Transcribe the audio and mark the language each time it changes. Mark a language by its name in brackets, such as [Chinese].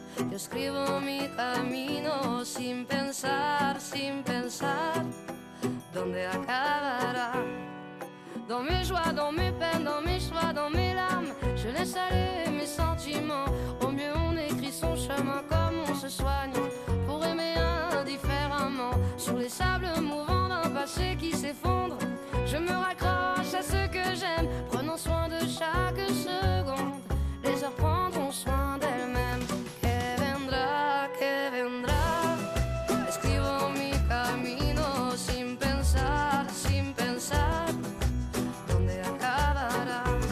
[Spanish] Yo escribo mi camino sin pensar, sin pensar dónde acabará. [French] Dans mes joies, dans mes peines, dans mes choix, dans mes larmes, je laisse aller mes sentiments. Au mieux on écrit son chemin comme on se soigne pour aimer indifféremment. Sous les sables mouvants d'un passé qui s'effondre, je me raccroche à ce que j'aime. Soin de chaque seconde, les heures prendront soin d'elles-mêmes. [Spanish] Que vendra, que vendra. Escrivo mi camino sin pensar dónde acabará.